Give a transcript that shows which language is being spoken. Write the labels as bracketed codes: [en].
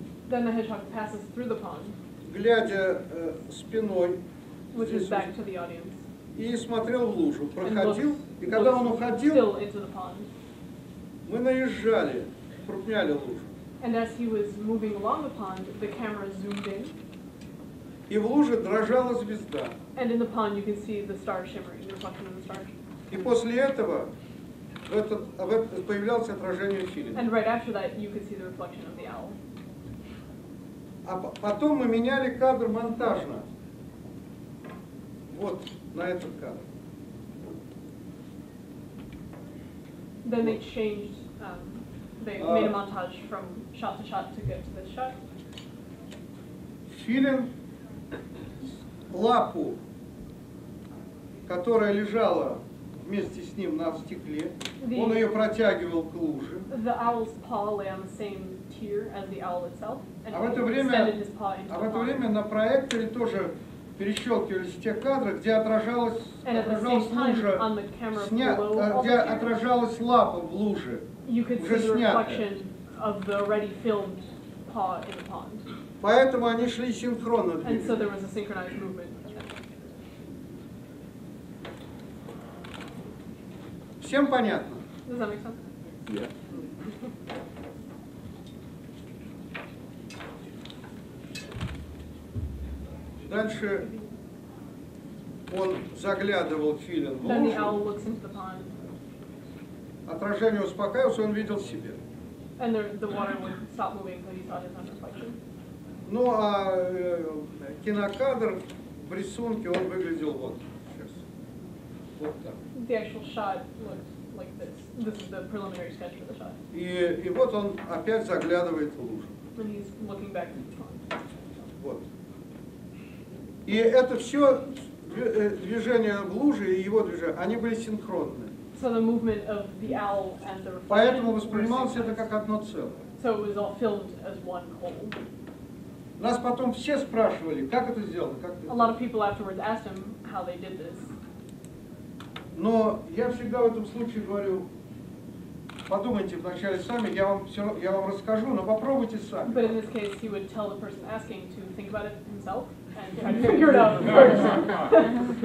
[en] Then the hedgehog passes through the pond. [ru] Глядя спиной. [en] Which is back to the audience. [ru] И смотрел в лужу. Проходил. И когда он уходил, [en] still into the pond. [ru] Мы наезжали, крупняли лужу. [en] And as he was moving along the pond, the camera zoomed in. [ru] И в луже дрожала звезда. [en] And in the pond you can see the star shimmering, the reflection of the star. [ru] И после этого в этот появлялось отражение филина. [en] And right after that you can see the reflection of the owl. [ru] А потом мы меняли кадр монтажно. Вот, на этот кадр. [en] Then they changed, they made a montage from shot to shot to get to this shot. [ru] Филин лапу, которая лежала вместе с ним на стекле, он ее протягивал к луже. [en] The owl's paw lay on the same tier as the owl itself, and he extended his paw into the pond. [ru] А в это время на проекторе тоже перещелкивались те кадры, где отражалась лужа, где отражалась лапа в луже. [en] You could see the reflection of the already filmed paw in the pond. [ru] Поэтому они шли синхронно. [en] And so there was a synchronized movement. [ru] Всем понятно? [en] Does that make sense? Yeah. [ru] Дальше он заглядывал филин в лужу. [en] The owl looks into the pond. [ru] Отражение успокаивалось, он видел себя. [en] And the water would stop moving because he saw his own reflection. [ru] Ну а кинокадр в рисунке он выглядел вот сейчас. Вот так. [en] The actual shot looked like this. This is the preliminary sketch for the shot. [ru] И вот он опять заглядывает в лужу. [en] And he's looking back into the pond. Вот. [ru] И это все движение в луже и его движение, они были синхронны. [en] So the movement of the owl and the reflection. [ru] Поэтому воспринималось это как одно целое. [en] So it was all filmed as one whole. [ru] Нас потом все спрашивали, как это сделано, как. [en] A lot of people afterwards asked him how they did this. [ru] Но я всегда в этом случае говорю, Подумайте вначале сами, я вам все, я вам расскажу, но попробуйте сами. [en] But in this case, he would tell the person asking to think about it himself and try to figure it out first.